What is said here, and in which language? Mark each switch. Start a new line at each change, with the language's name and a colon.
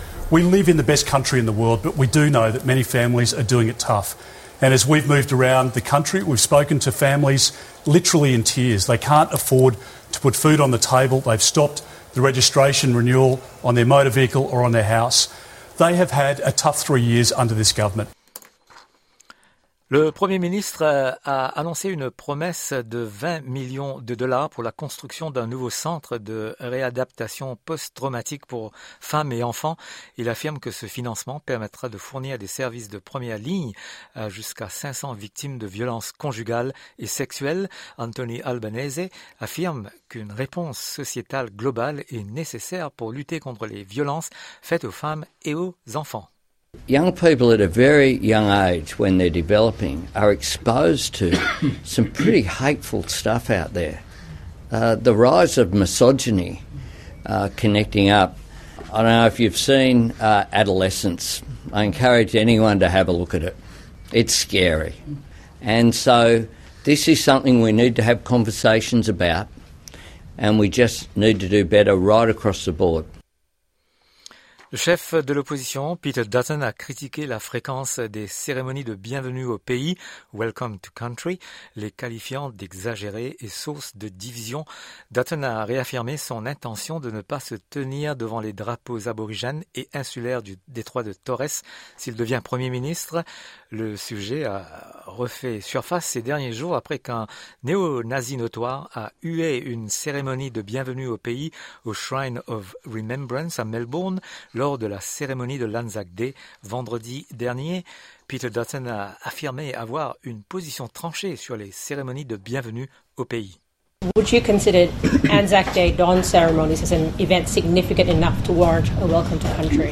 English: We live in the best country in the world, but we do know that many families are doing it tough. And as we've moved around the country, we've spoken to families literally in tears. They can't afford to put food on the table. They've stopped the registration renewal on their motor vehicle or on their house. They have had a tough 3 years under this government.
French: Le Premier ministre a annoncé une promesse de 20 millions de dollars pour la construction d'un nouveau centre de réadaptation post-traumatique pour femmes et enfants. Il affirme que ce financement permettra de fournir des services de première ligne à jusqu'à 500 victimes de violences conjugales et sexuelles. Anthony Albanese affirme qu'une réponse sociétale globale est nécessaire pour lutter contre les violences faites aux femmes et aux enfants.
English: Young people at a very young age, when they're developing, are exposed to some pretty hateful stuff out there. The rise of misogyny connecting up. I don't know if you've seen Adolescence. I encourage anyone to have a look at it. It's scary. And so this is something we need to have conversations about, and we just need to do better right across the board.
French: Le chef de l'opposition, Peter Dutton, a critiqué la fréquence des cérémonies de bienvenue au pays, Welcome to Country, les qualifiant d'exagérées et source de division. Dutton a réaffirmé son intention de ne pas se tenir devant les drapeaux aborigènes et insulaires du détroit de Torres s'il devient Premier ministre. Le sujet a refait surface ces derniers jours après qu'un néo-nazi notoire a hué une cérémonie de bienvenue au pays au Shrine of Remembrance à Melbourne lors de la cérémonie de l'Anzac Day vendredi dernier. Peter Dutton a affirmé avoir une position tranchée sur les cérémonies de bienvenue au pays.
English: Would you consider Anzac Day dawn ceremonies as an event significant enough to warrant a welcome to country?